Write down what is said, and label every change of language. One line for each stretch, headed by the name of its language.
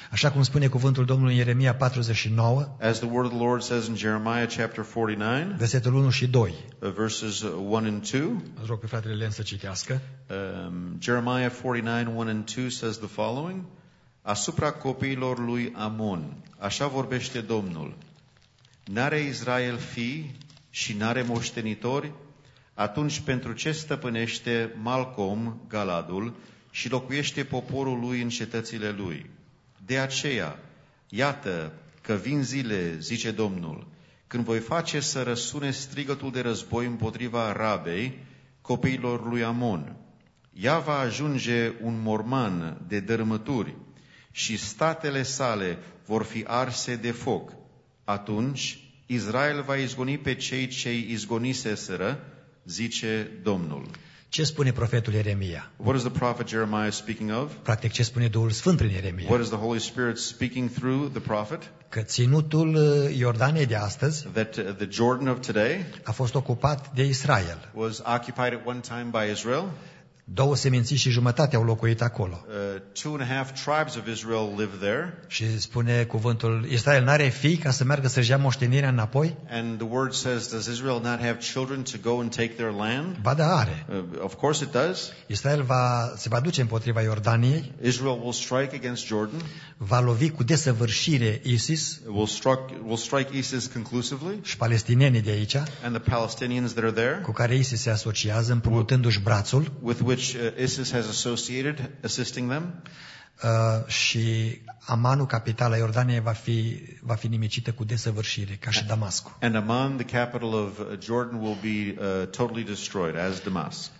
Romanian: Așa cum spune cuvântul Domnului în Ieremia 49.
English: As the word of the Lord says in Jeremiah chapter 49.
Romanian: Versetul 1 și 2.
English: Verses 1 and 2.
Romanian: Aș rog pe fratele Len să citească.
English: Jeremiah 49, 1 and 2 says the following.
Romanian: Asupra copiilor lui Amon, așa vorbește Domnul. N-are Israel fii și n-are moștenitori? Atunci pentru ce stăpânește Malcom Galadul și locuiește poporul lui în cetățile lui? De aceea, iată că vin zile, zice Domnul, când voi face să răsune strigătul de război împotriva Rabei, copiilor lui Amon. Ea va ajunge un morman de dărâmături și statele sale vor fi arse de foc. Atunci Israel va izgoni pe cei ce îi izgoniseseră, zice Domnul. Ce spune profetul Ieremia?
English: What is the prophet Jeremiah speaking of?
Romanian: Practic, ce spune Duhul Sfânt prin Ieremia?
English: What is the Holy Spirit speaking through the prophet?
Romanian: Că ținutul Iordaniei de astăzi,
English: that the Jordan of today,
Romanian: a fost ocupat de Israel.
English: Was occupied at one time by Israel.
Romanian: Două seminții și jumătate au locuit acolo.
English: Two and a half tribes of Israel live there.
Romanian: Și spune cuvântul, Israel n-are fii ca să meargă să-și ia moștenirea înapoi?
English: And the word says, does Israel not have children to go and take their land?
Romanian: Ba da, are.
English: Of course it does.
Romanian: Israel se va duce împotriva Iordaniei.
English: Israel will strike against Jordan.
Romanian: Va lovi cu desăvârșire ISIS.
English: Will strike ISIS conclusively.
Romanian: Și palestinienii de aici.
English: And the Palestinians that are there.
Romanian: Cu care ISIS se asociază împrumutându-și brațul.
English: Which ISIS has associated, assisting them.
Romanian: Și Amanul, capitala Iordaniei, va fi nimicită cu desăvârșire, ca și Damascul.
English: And Amman, the capital of Jordan, will be totally destroyed, as Damascus.